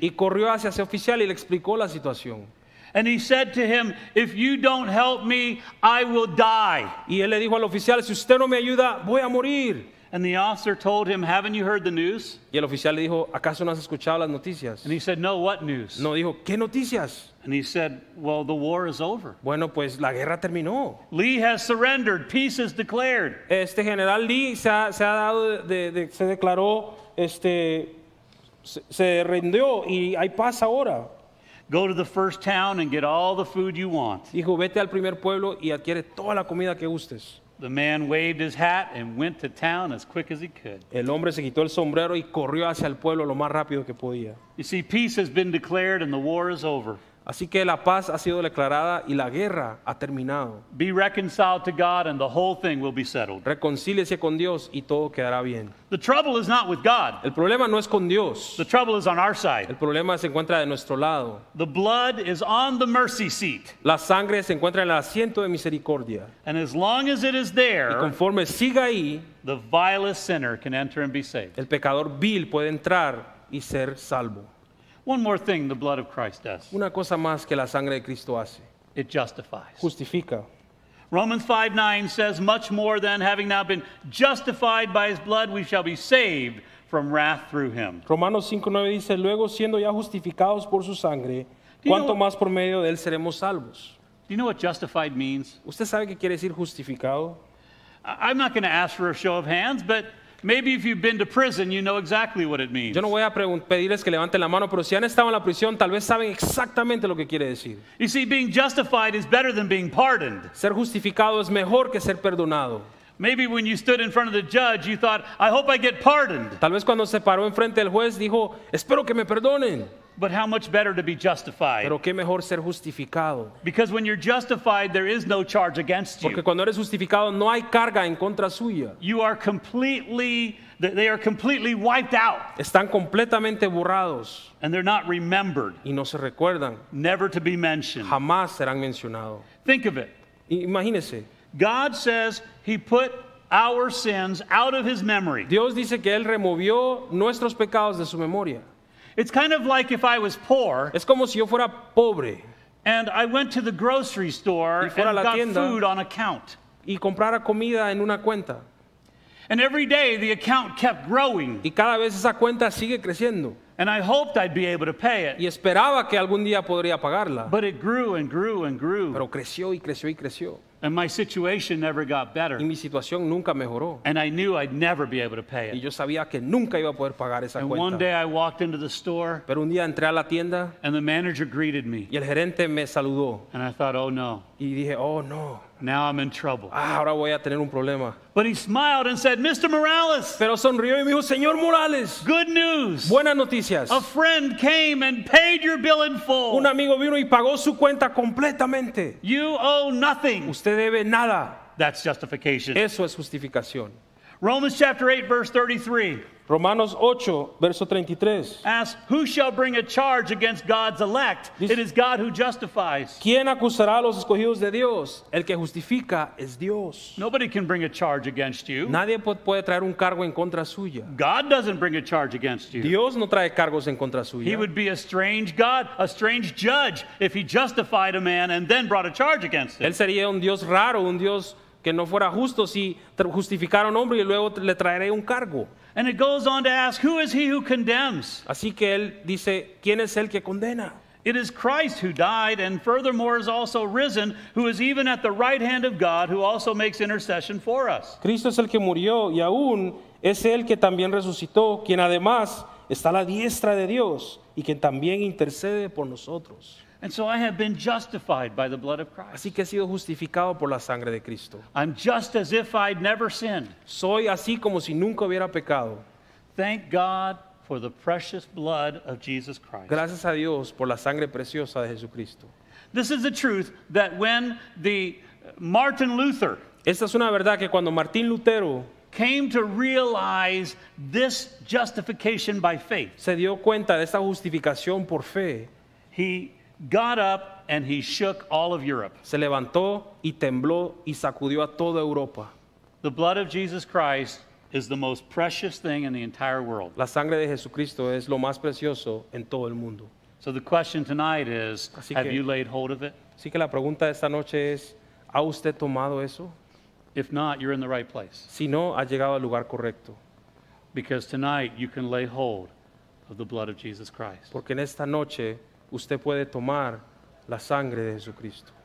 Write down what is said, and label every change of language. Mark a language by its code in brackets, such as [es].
[es] Y corrió hacia ese oficial y le explicó la situación. [en] And he said to him, "If you don't help me, I will die." [es] Y él le dijo al oficial, "Si usted no me ayuda, voy a morir." [en] And the officer told him, "Haven't you heard the news?" [es] Y el oficial le dijo, "¿Acaso no has escuchado las noticias?" [en] And he said, "No, what news?" [es] No, dijo, "¿Qué noticias?" [en] And he said, "Well, the war is over." [es] Bueno, pues la guerra terminó. [en] Lee has surrendered. Peace is declared. [es] Este general Lee se rindió y hay paz ahora. [en] Go to the first town and get all the food you want. [es] Dijo, vete al primer pueblo y adquiere toda la comida que gustes. [en] The man waved his hat and went to town as quick as he could. [es] El hombre se quitó el sombrero y corrió hacia el pueblo lo más rápido que podía. [en] You see, peace has been declared and the war is over. [es] Así que la paz ha sido declarada y la guerra ha terminado. [en] Be reconciled to God and the whole thing will be settled. [es] Reconcíliese con Dios y todo quedará bien. [en] The trouble is not with God. [es] El problema no es con Dios. [en] The trouble is on our side. [es] El problema se encuentra de nuestro lado. [en] The blood is on the mercy seat. [es] La sangre se encuentra en el asiento de misericordia. [en] And as long as it is there, [es] y conforme siga ahí, [en] the vilest sinner can enter and be saved. [es] El pecador vil puede entrar y ser salvo. [en] One more thing the blood of Christ does. [es] Una cosa más que la sangre de Cristo hace. [en] It justifies. [es] Justifica. [en] Romans 5:9 says, much more than having now been justified by his blood, we shall be saved from wrath through him. [es] Romanos 5:9 dice, luego siendo ya justificados por su sangre, cuanto más por medio de él seremos salvos. [en] Do you know what justified means? [es] ¿Usted sabe qué quiere decir justificado? [en] I'm not going to ask for a show of hands, but maybe if you've been to prison, you know exactly what it means. [es] Yo no voy a pedirles que levanten la mano, pero si han estado en la prisión, tal vez saben exactamente lo que quiere decir. [en] You see, being justified is better than being pardoned. [es] Ser justificado es mejor que ser perdonado. [en] Maybe when you stood in front of the judge, you thought, I hope I get pardoned. [es] Tal vez cuando se paró enfrente del juez, dijo, espero que me perdonen. [en] But how much better to be justified? [es] Pero qué mejor ser justificado. [en] Because when you're justified, there is no charge against you. [es] Porque cuando eres justificado, no hay carga en contra suya. [en] You are completely, they are completely wiped out. [es] Están completamente borrados. [en] And they're not remembered. [es] Y no se recuerdan. [en] Never to be mentioned. [es] Jamás serán mencionados. [en] Think of it. [es] Imagínese. [en] God says he put our sins out of his memory. [es] Dios dice que él removió nuestros pecados de su memoria. [en] It's kind of like if I was poor. [es] Es como si yo fuera pobre. [en] And I went to the grocery store and got food on account. [es] Y comprara comida en una cuenta. [en] And every day the account kept growing. [es] Y cada vez esa cuenta sigue creciendo. [en] And I hoped I'd be able to pay it. [es] Y esperaba que algún día podría pagarla. [en] But it grew and grew and grew. [es] Pero creció y creció y creció. [en] And my situation never got better. [es] Y mi situación nunca mejoró. [en] And I knew I'd never be able to pay it. [es] Y yo sabía que nunca iba a poder pagar esa [en] and [es] cuenta. [en] One day I walked into the store. [es] Pero un día entré a la tienda. [en] And the manager greeted me. [es] Y el gerente me saludó. [en] And I thought, oh no. [es] Y dije, oh no. [en] Now I'm in trouble. [es] Ah, ahora voy a tener un problema. [en] But he smiled and said, Mr. Morales. [es] Pero sonrió y me dijo, Señor Morales. [en] Good news. [es] Buenas noticias. [en] A friend came and paid your bill in full. [es] Un amigo vino y pagó su cuenta completamente. [en] You owe nothing. [es] Usted debe nada. [en] That's justification. [es] Eso es justificación. [en] Romans chapter 8, verse 33. [es] Romanos 8, verso 33. [en] Ask, who shall bring a charge against God's elect? It is God who justifies. [es] ¿Quién acusará a los escogidos de Dios? El que justifica es Dios. [en] Nobody can bring a charge against you. [es] Nadie puede traer un cargo en contra suya. [en] God doesn't bring a charge against you. [es] Dios no trae cargos en contra suya. [en] He would be a strange God, a strange judge, if he justified a man and then brought a charge against him. [es] Él sería un Dios raro, un Dios que no fuera justo si justificara un hombre y luego le traeré un cargo. [en] And it goes on to ask, who is he who condemns? [es] Así que él dice, ¿quién es el que condena? [en] It is Christ who died and furthermore is also risen, who is even at the right hand of God, who also makes intercession for us. [es] Cristo es el que murió y aún es el que también resucitó, quien además está a la diestra de Dios y quien también intercede por nosotros. [en] And so I have been justified by the blood of Christ. [es] Así que he sido justificado por la sangre de Cristo. [en] I'm just as if I'd never sinned. [es] Soy así como si nunca hubiera pecado. [en] Thank God for the precious blood of Jesus Christ. [es] Gracias a Dios por la sangre preciosa de Jesucristo. [en] This is the truth that when the Martin Luther, [es] esta es una verdad que cuando Martín Lutero [en] came to realize this justification by faith, [es] se dio cuenta de esta justificación por fe, [en] he got up and he shook all of Europe. [es] Se levantó y tembló y sacudió a toda Europa. [en] The blood of Jesus Christ is the most precious thing in the entire world. [es] La sangre de Jesucristo es lo más precioso en todo el mundo. [en] So the question tonight is, have you laid hold of it? [es] Así que la pregunta de esta noche es, ¿ha usted tomado eso? [en] If not, you're in the right place. [es] Si no, ha llegado al lugar correcto. [en] Because tonight you can lay hold of the blood of Jesus Christ. [es] Porque en esta noche usted puede tomar la sangre de Jesucristo.